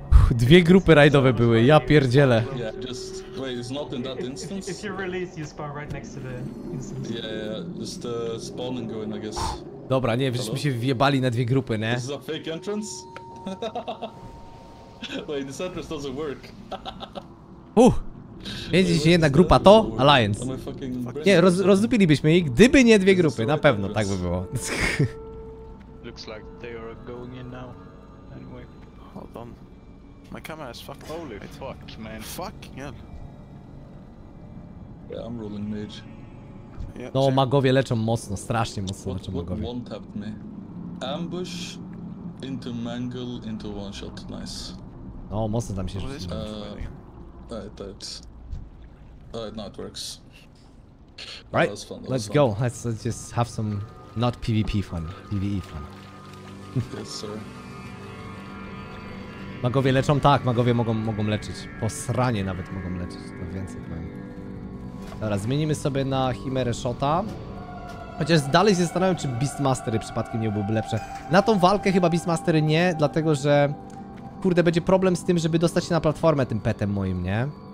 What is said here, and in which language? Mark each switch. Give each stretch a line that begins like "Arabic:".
Polish: Dwie grupy rajdowe były, ja pierdzielę.
English: Yeah, just wait, it's not in that instance. If you release, you spawn right next to the instance. Yeah, just spawning going, I guess.
Polish: Dobra, nie, żeśmy się wjebali na dwie grupy, nie?
English: This is a fake entrance? Wait, this entrance doesn't work.
Polish: Wiedzieli, że jedna grupa to Alliance. Nie, rozdupilibyśmy ich, gdyby nie dwie grupy, na pewno tak by było.
English: Looks like they are going in now. Anyway, hold on. My camera is fucked. Holy fuck, man. Fuck, yeah. Yeah, I'm rolling mage.
Polish: Yeah, no, magowie leczą mocno, strasznie mocno leczą magowie.
English: What one-tapped me? Ambush into mangle into one shot. Nice.
Polish: No, mocno tam się rzuciło.
English: Now it works. Right, oh, that let's fun. Go. Let's just have some not PvP fun, PvE fun. Yes, sir.
Polish: Magowie leczą? Tak, magowie mogą leczyć. Po sranie nawet mogą leczyć, to więcej powiem. Dobra, zmienimy sobie na Chimerę Shota. Chociaż dalej się zastanawiam, czy Beastmastery przypadkiem nie byłyby lepsze. Na tą walkę chyba Beastmastery nie, dlatego że... Kurde, będzie problem z tym, żeby dostać się na platformę tym petem moim, nie?